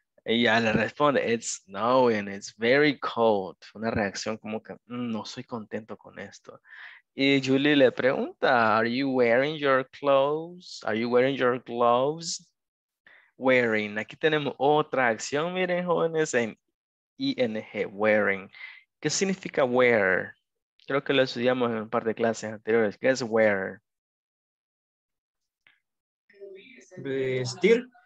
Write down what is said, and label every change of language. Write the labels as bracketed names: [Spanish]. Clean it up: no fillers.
[Spanish] Y ya le responde, [English] it's snowing, it's very cold. [Spanish] Una reacción como que, no soy contento con esto. Y Julie le pregunta, [English] are you wearing your clothes? Are you wearing your gloves? Wearing. [Spanish] Aquí tenemos otra acción, miren jóvenes, en ing, wearing. ¿Qué significa wear? Creo que lo estudiamos en un par de clases anteriores. ¿Qué es wear? Vestir.